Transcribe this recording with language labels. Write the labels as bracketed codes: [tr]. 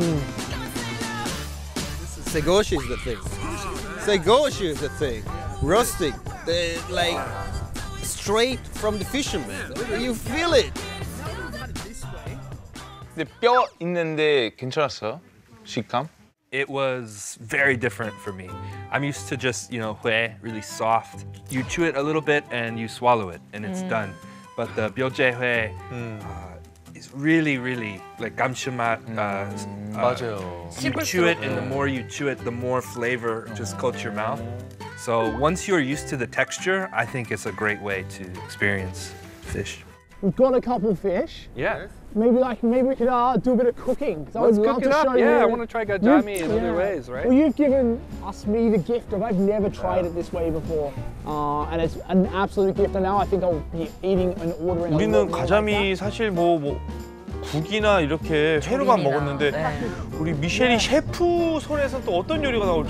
[en] Segoshi is the thing. Segoshi is the thing. Rustic, like straight from the fisherman. You feel it. [ko] 근데 뼈 있는데 괜찮았어? 식감? [en] It was very different for me. I'm used to just, you know, 회, really soft. You chew it a little bit and you swallow it and it's done. But the 뼈제 회 is really, really like 감칠맛. [ko] 맞아요. [en] You chew it and the more you chew it, the more flavor just coats your mouth. So once you're used to the texture, I think it's a great way to experience fish. We've got a couple of fish. Yeah. Maybe we could do a bit of cooking. So let's cook it up. Yeah, I want to try gajami in other ways, right? Well, you've given us me the gift of I've never tried it this way before, and it's an absolute gift. And now I think I'll be eating and ordering. [ko] 우리는 가자미 like 사실 뭐 국이나 이렇게 회로만 먹었는데 네. 우리 미셸이 셰프 손에서 또 어떤 요리가 나올지